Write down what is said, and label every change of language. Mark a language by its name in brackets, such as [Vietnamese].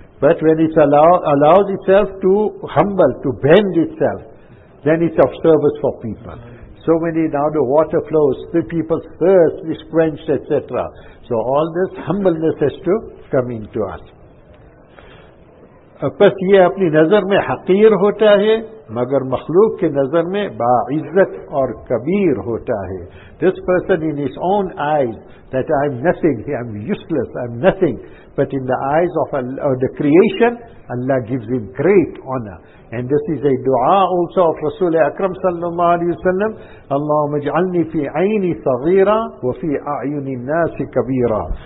[English] But when it allows itself to humble, to bend itself, then it's of service for people. So many, now the water flows, the people's thirst is quenched, etc. So all this humbleness has to come into us. [Urdu] پس یہ اپنی نظر میں حقیر ہوتا ہے مگر مخلوق کے نظر میں باعزت اور کبیر ہوتا ہے. [English] This person in his own eyes, that I am nothing, I am useless, I am nothing, but in the eyes of Allah, or the creation, Allah gives him great honor. And this is a dua also of Rasul Akram sallallahu alayhi wa sallam, [Arabic] اللهم اجعلني في عيني صغيرا وفي اعين الناس كبيرا.